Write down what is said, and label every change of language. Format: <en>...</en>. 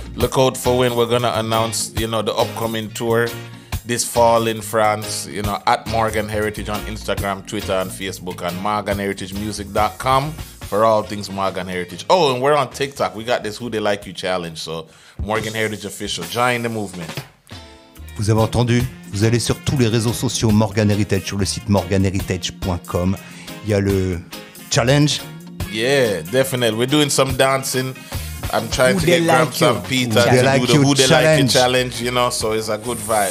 <en>Look out for when we're going to announce, you know, the upcoming tour this fall in France, you know, at Morgan Heritage on Instagram, Twitter, and Facebook, and morganheritagemusic.com for all things Morgan Heritage. Oh, and we're on TikTok. We got this Who They Like You challenge. So, Morgan Heritage Official, join the movement.</en> <fr>Vous avez entendu? Vous allez sur tous les réseaux sociaux Morgan Heritage, sur le site morganheritage.com. Il y a le challenge.</fr> <en>Yeah, definitely. We're doing some dancing. I'm trying to get Gramps and Peter to do the Who They Like You challenge, you know, so it's a good vibe.</en>